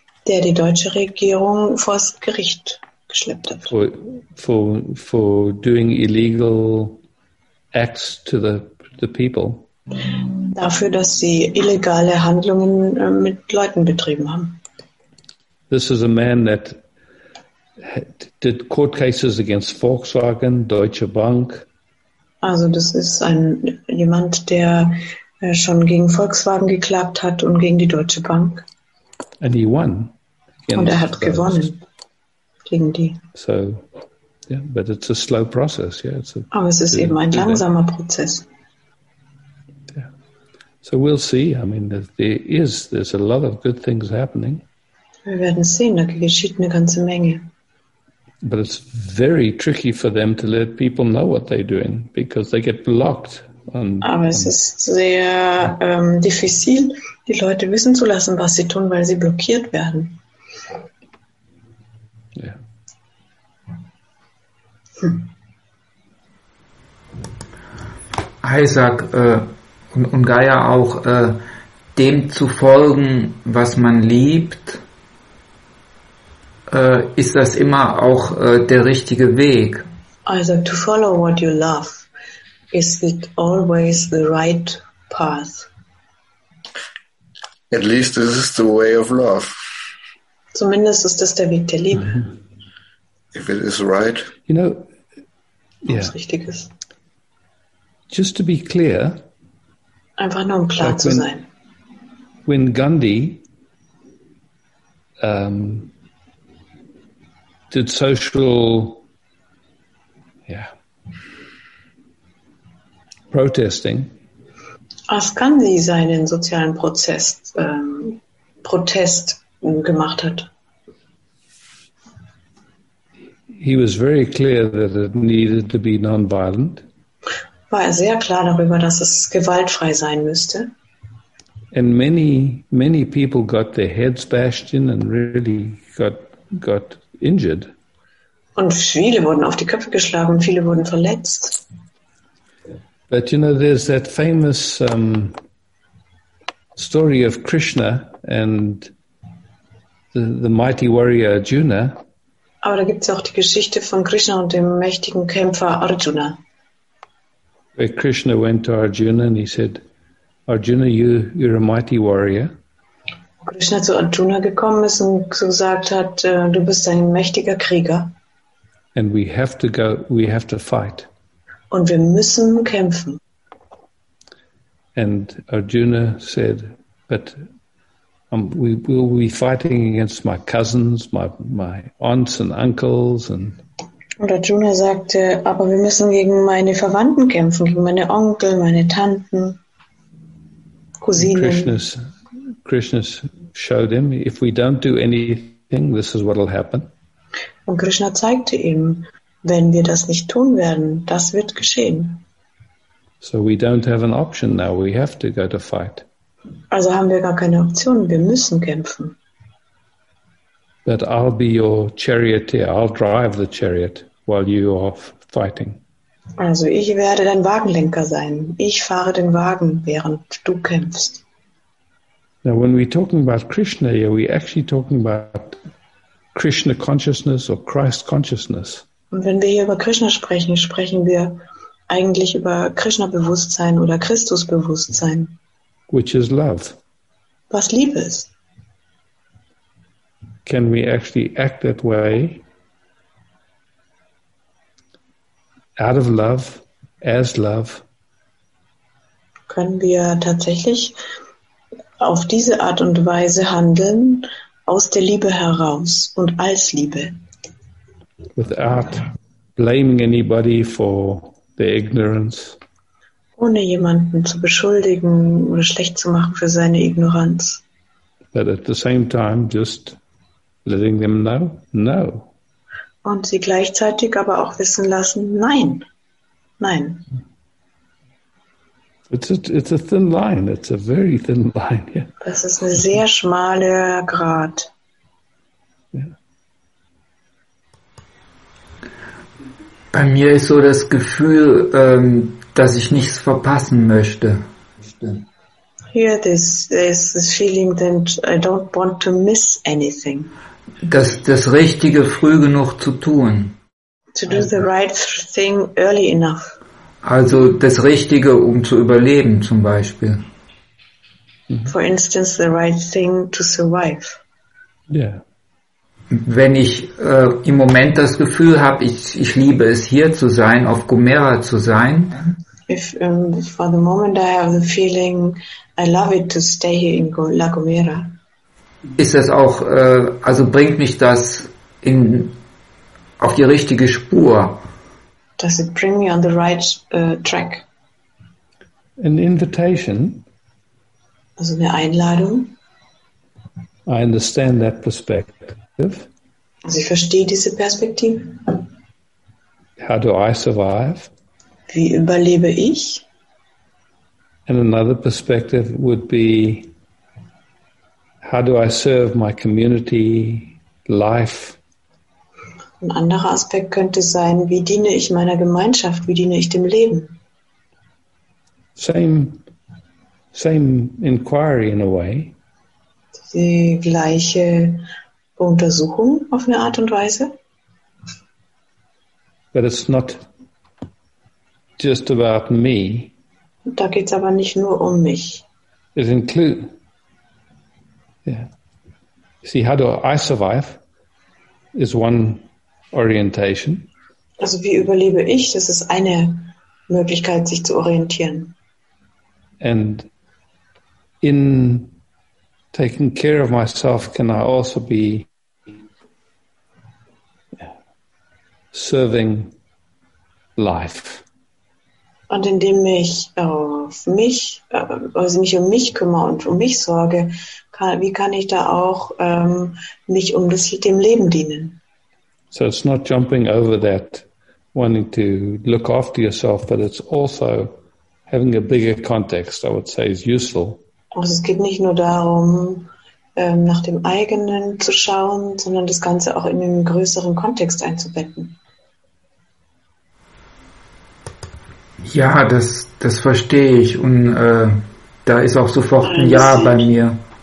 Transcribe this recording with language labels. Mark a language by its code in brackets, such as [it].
[de] der die deutsche Regierung vors Gericht geschleppt hat. [en] For doing illegal acts to the people. [de] Dafür, dass sie illegale Handlungen mit Leuten betrieben haben. [en] This is a man that did court cases against Volkswagen, Deutsche Bank. [de] Also das ist jemand, der schon gegen Volkswagen geklagt hat und gegen die Deutsche Bank. [en] And he won. [de] Und er hat gewonnen gegen die. [en] So, yeah, but it's a slow process. Yeah, [de] aber es ist eben ein langsamer Prozess. [en] So we'll see. I mean, there's a lot of good things happening. [de] Wir werden sehen, da geschieht eine ganze Menge. [en] But it's very tricky for them to let people know what they're doing because they get blocked. [de] Aber es ist sehr difficil, die Leute wissen zu lassen, was sie tun, weil sie blockiert werden. [en] Yeah. [de] Isaac, und Gaia auch, dem zu folgen, was man liebt, ist das immer auch der richtige Weg. [en] Also, to follow what you love, is it always the right path? At least this is the way of love. [de] Zumindest ist das der Weg der Liebe. [en] If it is right. You know, [de] yeah. Ob's richtig ist. [en] Just to be clear, [de] einfach nur, um klar zu sein. [en] When Gandhi did social protesting. [de] Als Gandhi seinen sozialen Protest gemacht hat. [en] He was very clear that it needed to be non-violent. [de] War er sehr klar darüber, dass es gewaltfrei sein müsste. [en] And many, many people got their heads bashed in and really got injured. [de] Und viele wurden auf die Köpfe geschlagen, viele wurden verletzt. [en] But you know, there's that famous story of Krishna and the mighty warrior Arjuna. [de] Aber da gibt's auch die Geschichte von Krishna und dem mächtigen Kämpfer Arjuna. [en] Where Krishna went to Arjuna and he said, Arjuna, you're a mighty warrior. [de] Wo Krishna zu Arjuna gekommen ist und gesagt hat, du bist ein mächtiger Krieger. [en] And we have to go, we have to fight. [de] Und wir müssen kämpfen. [en] And Arjuna said, but we will be fighting against my cousins, my aunts and uncles and. [de] Und Arjuna sagte, aber wir müssen gegen meine Verwandten kämpfen, gegen meine Onkel, meine Tanten, Cousinen. [en] Krishna showed him, if we don't do anything, this is what will happen. [de] Und Krishna zeigte ihm, wenn wir das nicht tun werden, das wird geschehen. [en] So we don't have an option now, we have to go to fight. [de] Also haben wir gar keine Option, wir müssen kämpfen. [en] But I'll be your charioteer. I'll drive the chariot while you are fighting. [de] Also ich werde dein Wagenlenker sein. Ich fahre den Wagen, während du kämpfst. [en] Now when we're talking about Krishna, are we actually talking about Krishna consciousness or Christ consciousness? [de] Und wenn wir hier über Krishna sprechen, sprechen wir eigentlich über Krishna-Bewusstsein oder Christus-Bewusstsein. [en] Which is love. [de] Was Liebe ist. [en] Can we actually act that way out of love, as love? [de] Können wir tatsächlich auf diese Art und Weise handeln, aus der Liebe heraus und als Liebe? [en] Without blaming anybody for their ignorance. [de] Ohne jemanden zu beschuldigen oder schlecht zu machen für seine Ignoranz. [en] But at the same time just letting them know, no. [de] Und sie gleichzeitig aber auch wissen lassen, nein, nein. [en] It's a thin line, it's a very thin line. Yeah. [de] Das ist ein sehr schmaler Grat. [en] Yeah. [de] Bei mir ist so das Gefühl, dass ich nichts verpassen möchte. [en] here this feeling that I don't want to miss anything. [de] Das Richtige früh genug zu tun. [en] To do the right thing early enough. [de] Also das Richtige, um zu überleben, zum Beispiel. [en] For instance, the right thing to survive. Yeah. [de] Wenn ich im Moment das Gefühl habe, ich liebe es, hier zu sein, auf Gomera zu sein. [en] If for the moment I have the feeling I love it to stay here in La Gomera. [de] Ist das auch, also bringt mich das in auf die richtige Spur? [en] Does it bring me on the right track? An invitation. [de] Also eine Einladung. [en] I understand that perspective. [de] Also ich verstehe diese Perspektive. [en] How do I survive? [de] Wie überlebe ich? [en] And another perspective would be, how do I serve my community, life? [de] Ein anderer Aspekt könnte sein, wie diene ich meiner Gemeinschaft, wie diene ich dem Leben? [en] Same inquiry in a way. [de] Die gleiche Untersuchung auf eine Art und Weise. [en] But it's not just about me. [de] Da geht es aber nicht nur um mich. [en] It includes. Yeah. See, how do I survive? Is one orientation. [de] Also wie überlebe ich? Das ist eine Möglichkeit, sich zu orientieren. [en] And in taking care of myself, can I also be serving life? [de] Und indem ich auf mich, also mich um mich kümmere und um mich sorge, wie kann ich da auch mich um das dem Leben dienen? [en] So it's not jumping over that, wanting to look after yourself, but it's also having a bigger context, I would say, is useful. [de] Also es geht nicht nur darum, nach dem eigenen zu schauen, sondern das Ganze auch in einen größeren Kontext einzubetten. Ja, das verstehe ich. Und da ist auch sofort ein Ja bei mir.